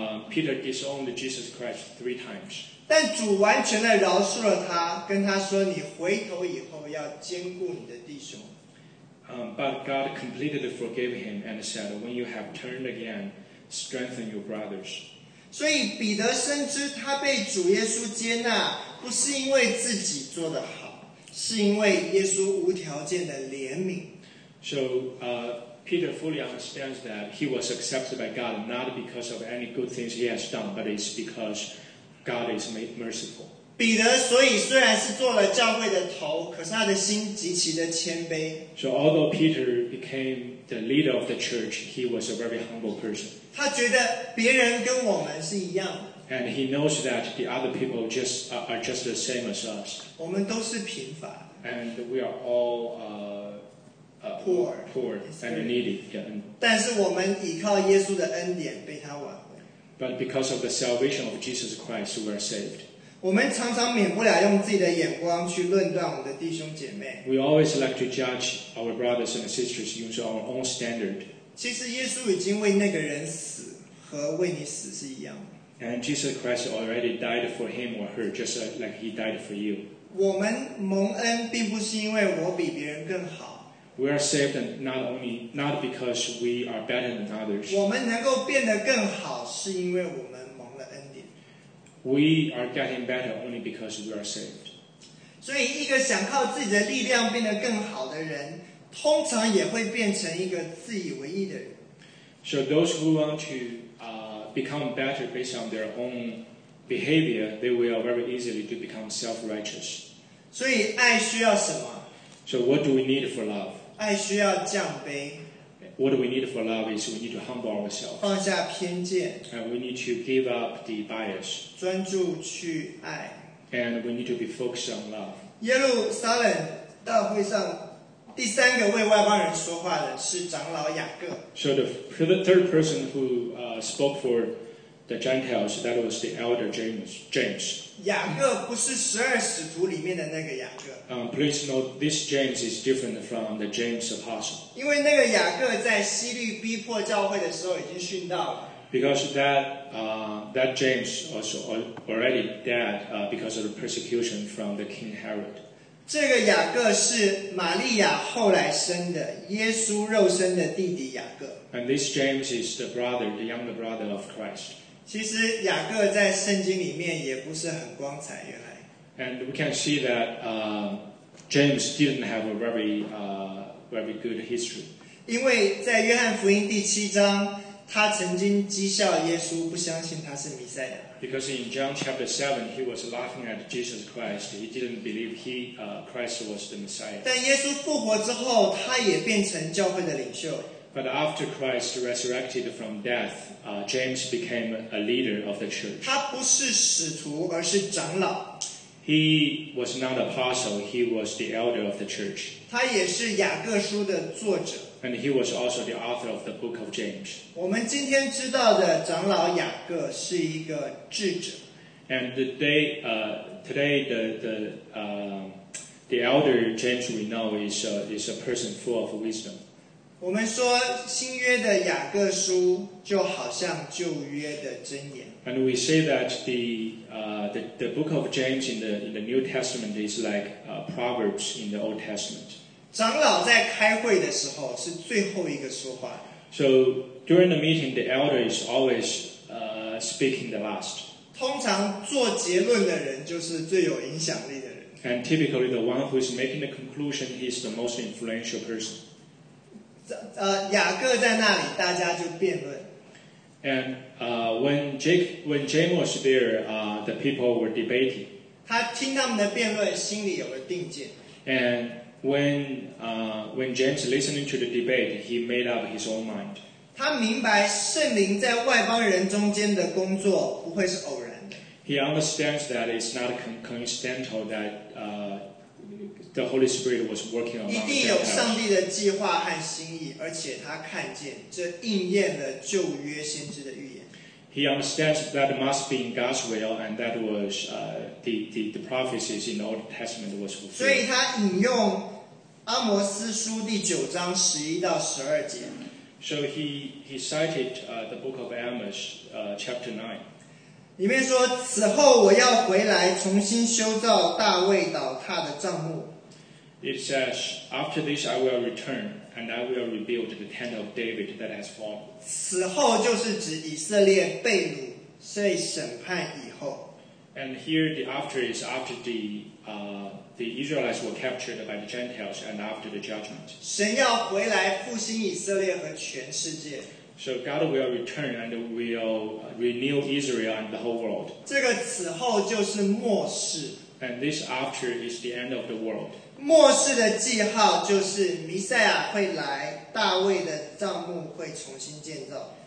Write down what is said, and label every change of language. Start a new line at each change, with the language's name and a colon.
English: Peter disowned Jesus Christ three times.
Chinese: 但主完全的饶恕了他，跟他说：“你回头以后要兼顾你的弟兄。”
English: But God completely forgave him and said, "When you have turned again, strengthen your brothers."
Chinese: 所以彼得深知他被主耶稣接纳。不是因为自己做得好，是因为耶稣无条件的怜悯。
English: So, Peter fully understands that he was accepted by God not because of any good things he has done, but it's because God is merciful.
Chinese: 彼得所以虽然是做了教会的头，可是他的心极其的谦卑。
English: So, although Peter became the leader of the church, he was a very humble person.
Chinese: 他觉得别人跟我们是一样的。
English: And he knows that the other people just, are just the same as us.
Chinese: 我们都是贫乏。
English: And we are all poor and needy.
Chinese: 但是我们依靠耶稣的恩典被他挽回。
English: But because of the salvation of Jesus Christ, we are saved.
Chinese: 我们常常免不了用自己的眼光去论断我们的弟兄姐妹。
English: We always like to judge our brothers and sisters using our own standard.
Chinese: 其实耶稣已经为那个人死和为你死是一样的。
English: And Jesus Christ already died for him or her, just like he died for you.
Chinese: 我们蒙恩并不是因为我比别人更好。
English: We are saved not because we are better than others.
Chinese: 我们能够变得更好是因为我们蒙了恩典。
English: We are getting better only because we are saved.
Chinese: 所以一个想靠自己的力量变得更好的人，通常也会变成一个自以为意的人。
English: So those who want to become better based on their own behavior, they will very easily to become self-righteous.
Chinese: 所以爱需要什么?
English: So what do we need for love?
Chinese: 爱需要降卑。
English: What we need for love is we need to humble ourselves.
Chinese: 放下偏见。
English: And we need to give up the bias.
Chinese: 专注去爱。
English: And we need to be focused on love.
Chinese: 耶路撒冷大会上第三个为外邦人说话的是长老雅各。
English: So the third person who spoke for the Gentiles, that was the elder James.
Chinese: 雅各不是十二使徒里面的那个雅各。
English: Please note, this James is different from the James Apostle.
Chinese: 因为那个雅各在西律逼迫教会的时候已经殉道了。
English: Because that James also already died because of the persecution from the King Herod.
Chinese: 这个雅各是玛利亚后来生的耶稣肉身的弟弟雅各。
English: And this James is the brother, the younger brother of Christ.
Chinese: 其实雅各在圣经里面也不是很光彩，原来。
English: And we can see that James didn't have a very, very good history.
Chinese: 因为在约翰福音第七章他曾经讥笑耶稣，不相信他是弥赛亚。
English: Because in John chapter 7, he was laughing at Jesus Christ. He didn't believe Christ was the Messiah.
Chinese: 但耶稣复活之后，他也变成教会的领袖。
English: But after Christ resurrected from death, James became a leader of the church.
Chinese: 他不是使徒，而是长老。
English: He was not apostle, he was the elder of the church.
Chinese: 他也是雅各书的作者。
English: And he was also the author of the book of James.
Chinese: 我们今天知道的长老雅各是一个智者。
English: And today the elder James we know is a person full of wisdom.
Chinese: 我们说新约的雅各书就好像旧约的箴言。
English: And we say that the book of James in the New Testament is like Proverbs in the Old Testament.
Chinese: 长老在开会的时候是最后一个说话。
English: So during the meeting, the elder is always speaking the last.
Chinese: 通常做结论的人就是最有影响力的人。
English: And typically, the one who is making the conclusion is the most influential person.
Chinese: 雅各在那里，大家就辩论。
English: And when James was there, the people were debating.
Chinese: 他听他们的辩论，心里有了定见。
English: And When James listening to the debate, he made up his own mind.
Chinese: 他明白圣灵在外邦人中间的工作不会是偶然的。
English: He understands that it's not coincidental that the Holy Spirit was working on.
Chinese: 一定有上帝的计划和心意，而且他看见这应验了旧约先知的预言。
English: He understands that it must be in God's will, and that was the prophecies in the Old Testament was fulfilled.
Chinese: 所以他引用阿摩斯书第九章十一到十二节。
English: So he cited the book of Amos, chapter 9.
Chinese: 里面说，此后我要回来重新修造大卫倒塌的帐幕。
English: It says, after this I will return. And I will rebuild the tent of David that has fallen.
Chinese: 此后就是指以色列被掳被审判以后。
English: And here the after is after the Israelites were captured by the Gentiles and after the judgment.
Chinese: 神要回来复兴以色列和全世界。
English: So God will return and will renew Israel and the whole world.
Chinese: 这个此后就是末世。
English: And this after is the end of the world.
Chinese: 末世的记号就是弥赛亚会来，大卫的帐幕会重新建造。